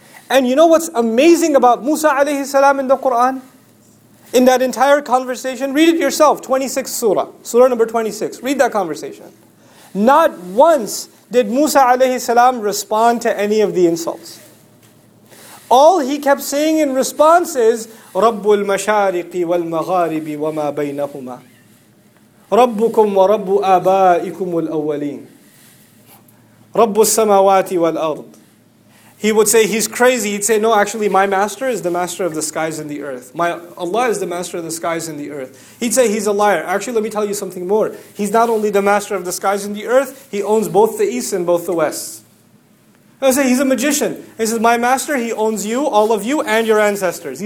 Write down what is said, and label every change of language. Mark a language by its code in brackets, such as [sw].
[en] And you know what's amazing about Musa alayhi salam in the Quran? In that entire conversation, read it yourself, 26th surah. Surah number 26. Read that conversation. Not once did Musa alayhi salam respond to any of the insults. All he kept saying in response is, [ar] رَبُّ الْمَشَارِقِ وَالْمَغَارِبِ وَمَا بَيْنَهُمَا رَبُّكُمْ وَرَبُّ آبَائِكُمُ الْأَوَّلِينَ رَبُّ السَّمَوَاتِ وَالْأَرْضِ. [en] He would say he's crazy. He'd say, no, actually, my master is the master of the skies and the earth. My Allah is the master of the skies and the earth. He'd say he's a liar. Actually, let me tell you something more. He's not only the master of the skies and the earth, he owns both the east and both the west. I say he's a magician. He says, my master, he owns you, all of you, and your ancestors.